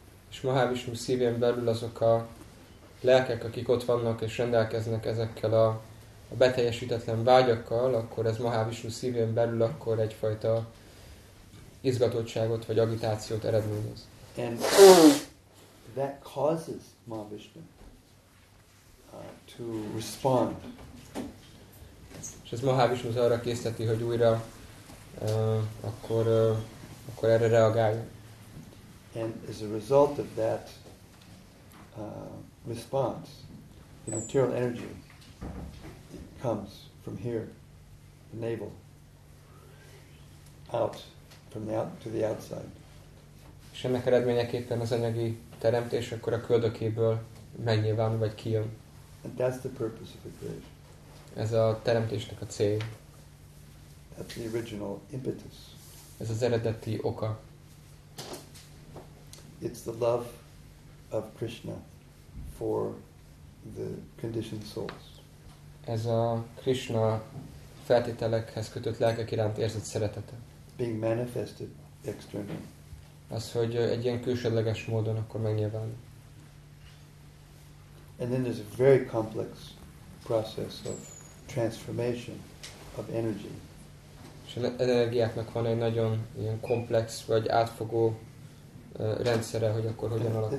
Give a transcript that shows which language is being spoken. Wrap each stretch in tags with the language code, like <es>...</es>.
<hu>És Mahavishnu szívén belül azok a lelkek, akik ott vannak és rendelkeznek ezekkel a beteljesítetlen vágyakkal, akkor ez Mahavishnu szívén belül akkor egyfajta izgatottságot vagy agitációt eredményez.</hu> <en>And that causes Mahavishnu to respond.</en> <hu>És ez Mahavishnu arra készteti, hogy újra akkor erre reagáljon.</hu> <en>And as a result of that response, the material energy comes from here, the navel, out from the out to the outside.</en> <hu>És ennek eredményeképpen az anyagi teremtés akkor a köldökéből megnyilván vagy kijön.</hu> <en>And that's the purpose of the creation.</en> <hu>Ez a teremtésnek a cél.</hu> <en>That's the original impetus.</en> <hu>Ez az eredeti oka.</hu> <en>It's the love of Krishna for the conditioned souls.</en> <hu>Ez a Krishna feltételekhez kötött lelkek iránt érzett szeretete.</hu> <en>Being manifested externally.</en> <hu>Az, hogy egy ilyen külsődleges módon akkor megnyilván.</hu> <en>And then there's a very complex process of transformation of energy.</en> <hu>És az energiáknak van egy nagyon ilyen komplex vagy átfogó rendszere, hogy akkor hogyan alakul.</hu>